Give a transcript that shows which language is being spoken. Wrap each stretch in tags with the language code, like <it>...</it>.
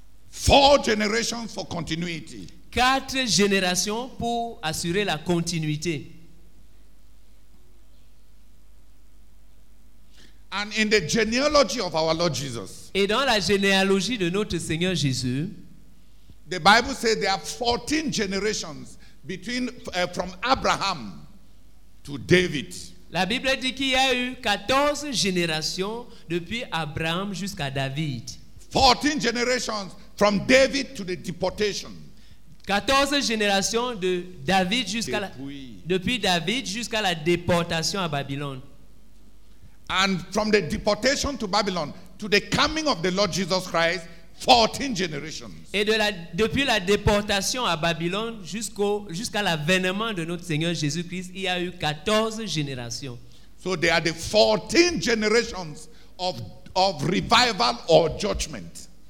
<en>Four generations for continuity.</en> <fr>Quatre générations pour assurer la continuité.</fr> <en>And in the genealogy of our Lord Jesus.</en> <fr>Et dans la généalogie de notre Seigneur Jésus.</fr> <en>The Bible says there are 14 generations between from Abraham to David.</en> <fr>La Bible dit qu'il y a eu 14 générations depuis Abraham jusqu'à David.</fr> <en>14 generations from David to the deportation.</en> <fr>14 générations de David jusqu'à depuis David jusqu'à la déportation à Babylone.</fr> <en>And from the deportation to Babylon to the coming of the Lord Jesus Christ, 14 generations.</en> <fr>Et de la, depuis la déportation à Babylone jusqu'à l'avènement de notre Seigneur Jésus-Christ, il y a eu 14 générations.</fr> <en>So there are the 14 generations of revival or judgment.</en>